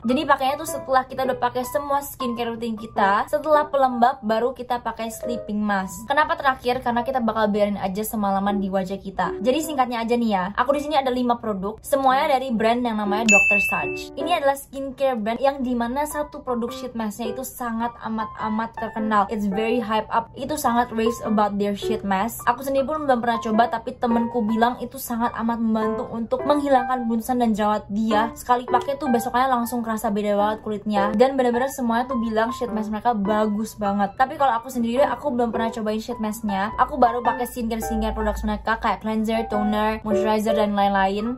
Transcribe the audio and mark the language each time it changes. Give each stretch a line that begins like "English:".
Indonesian: Jadi pakainya tuh setelah kita udah pakai semua skincare routine kita, setelah pelembab baru kita pakai sleeping mask. Kenapa terakhir? Karena kita bakal biarin aja semalaman di wajah kita. Jadi singkatnya aja nih ya, aku di sini ada 5 produk, semuanya dari brand yang namanya Dr. Starch. Ini adalah skincare brand yang dimana satu produk sheet masknya itu sangat amat terkenal.
English: It's very hype up.
Indonesian: Itu sangat
English: rave about their sheet mask.
Indonesian: Aku sendiri pun belum pernah coba, tapi temanku bilang itu sangat amat membantu untuk menghilangkan bunsen dan jerawat dia. Sekali pakai tuh besoknya langsung kerasa beda banget kulitnya. Dan benar-benar semuanya tuh bilang sheet mask mereka bagus banget. Tapi kalau aku sendiri, aku belum pernah cobain sheet masknya. Aku baru pakai skincare produk mereka kayak cleanser, toner, moisturizer dan lain-lain.